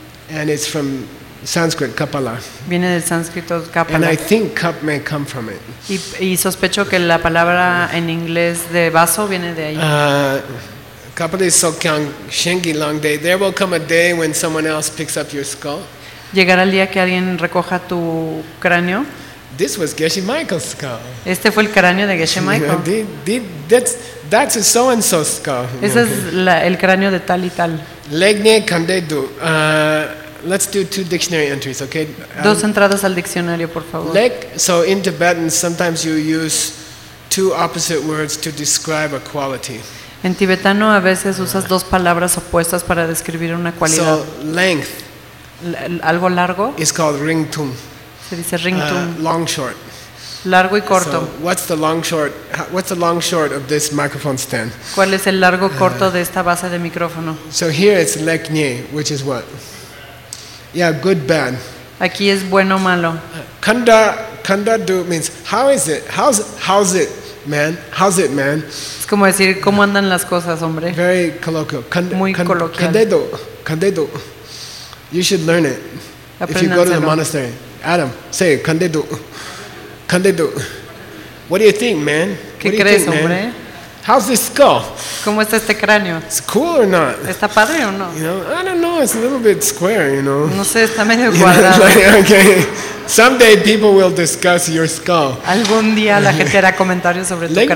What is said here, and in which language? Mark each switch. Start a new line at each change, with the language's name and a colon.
English: And it's from Sanskrit kapala.
Spanish: Viene del sánscrito kapala.
English: And I think cup may come from it.
Spanish: Y sospecho que la palabra en inglés de vaso viene de ahí.
Tibetan: Kapali sokyang shengi long day.
English: There will come a day when someone else picks up your skull.
Spanish: Llegará el día que alguien recoja tu cráneo.
English: This was Geshe Michael's skull.
Spanish: Este fue el cráneo de Geshe Michael.
English: That's a so and so skull.
Spanish: Ese okay. Es la, el cráneo de tal y tal.
Tibetan: Legne kandedu.
English: Let's do two dictionary entries, okay?
Spanish: Dos entradas al diccionario, por favor.
English: Leg, so in Tibetan, sometimes you use two opposite words to describe a quality.
Spanish: En tibetano a veces usas dos palabras opuestas para describir una cualidad.
English: So length.
Spanish: Algo largo.
English: Is called ringtum.
Spanish: Se dice ringtum.
English: Long short.
Spanish: Largo y corto.
English: So what's the long short? What's the long short of this microphone stand?
Spanish: ¿Cuál es el largo corto de esta base de micrófono?
English: So here it's legne, which is what? Yeah, good, bad.
Spanish: Aquí es bueno, malo.
English: Kanda do means how is it? How's it, man? How's it, man?
Spanish: Es como decir cómo andan las cosas, hombre.
English: Very colloquial.
Spanish: Muy coloquial.
English: Kandedo. You should learn it. If you go to the monastery, Adam, say kandedo. Kandedo. What do you think, man?
Spanish: ¿Qué crees, hombre?
English: Man? How's this skull?
Spanish: ¿Cómo está este cráneo?
English: It's cool or not?
Spanish: ¿Está padre o no?
English: You know, I don't know. It's a little bit square, you know.
Spanish: No sé, está medio cuadrado.
English: Like, okay. Someday people will discuss your skull.
Spanish: Algún día la gente hará comentarios sobre tu cráneo.